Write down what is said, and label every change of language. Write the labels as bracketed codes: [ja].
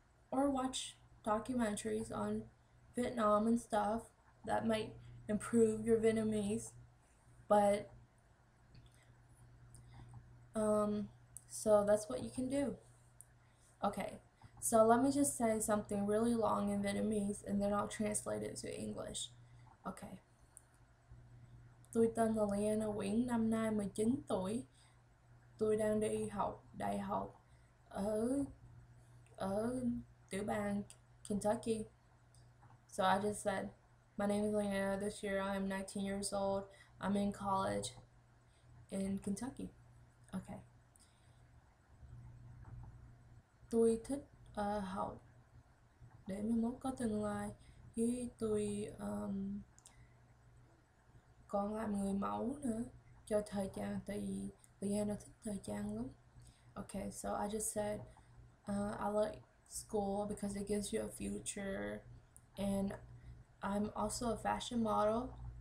[en] Or watch documentaries on Vietnam and stuff that might improve your Vietnamese. But, so that's what you can do. Okay, so let me just say something really long in Vietnamese and then I'll translate it to English. Okay. [vi] Tôi tên là Lianna Nguyễn, năm nay 19 tuổi. Tôi đang đi học đại học ở tiểu bang Kentucky. [en] So I just said, my name is Lianna. This year I'm 19 years old. I'm in college in Kentucky. Okay. [vi] Tôi thích học để mai mốt có tương lai. Với tôi còn làm người mẫu nữa cho thời trang, tại vì Lianna thích thời trang lắm. [en] Okay, so I just said I like school because it gives you a future, and I'm also a fashion model.